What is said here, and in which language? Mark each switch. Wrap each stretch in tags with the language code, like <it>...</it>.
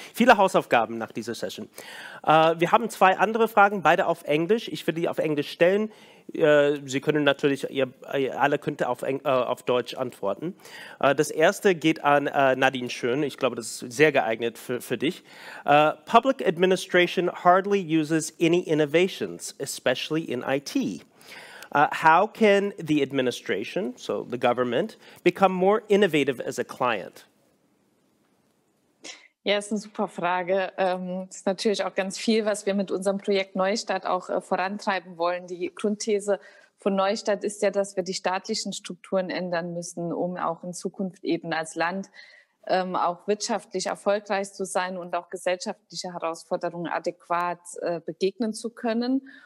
<de>Viele Hausaufgaben nach dieser Session. Wir haben 2 andere Fragen, beide auf Englisch. Ich will die auf Englisch stellen. Sie können natürlich, ihr alle könnt auf Deutsch antworten. Das erste geht an Nadine Schön. Ich glaube, das ist sehr geeignet für dich.</de> <en>Public administration hardly uses any innovations, especially in IT. How can the administration, so the government, become more innovative as a client?</en> <de>Ja, ist eine super Frage. Es ist natürlich auch ganz viel, was wir mit unserem Projekt Neustart auch vorantreiben wollen. Die Grundthese von Neustart ist ja, dass wir die staatlichen Strukturen ändern müssen, um auch in Zukunft eben als Land auch wirtschaftlich erfolgreich zu sein und auch gesellschaftliche Herausforderungen adäquat begegnen zu können.</de>